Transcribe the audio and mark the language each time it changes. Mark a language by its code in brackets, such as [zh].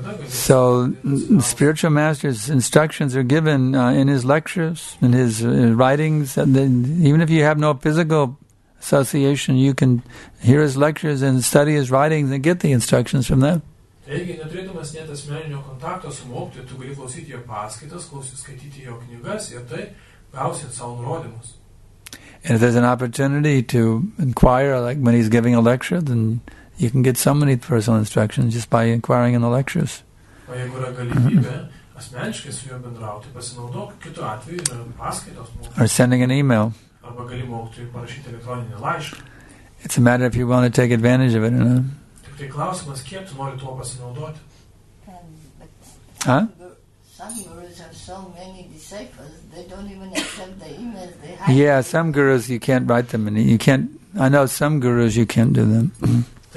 [en] So the spiritual master's instructions are given in his lectures, in his writings, and then even if you have no physical association, you can hear his lectures and study his writings and get the instructions from them. [lt] Taigi, neturėdamas net asmeninio kontakto su mokytoju, tu gali klausyti jo paskaitas, klausyti skaityti jo knygas ir tai gausi savo nurodymus. [en] And if there's an opportunity to inquire, like when he's giving a lecture, then you can get so many personal instructions just by inquiring in the lectures. [lt] O jeigu yra galimybė asmeniškai su juo bendrauti, pasinaudok kitu atveju ir paskaitos mokytoju. [en] Or sending an email. [lt] Arba gali mokytojui parašyti elektroninį laišką. [en] It's a matter if you want to take advantage of it, you know. [lt] Tai klausimas, kiek tu nori tuo pasinaudoti? Huh? [en] some gurus have so many disciples, they don't even accept the emails they have. Yeah, some gurus, you can't write them in. You can't. I know some gurus, you can't do them.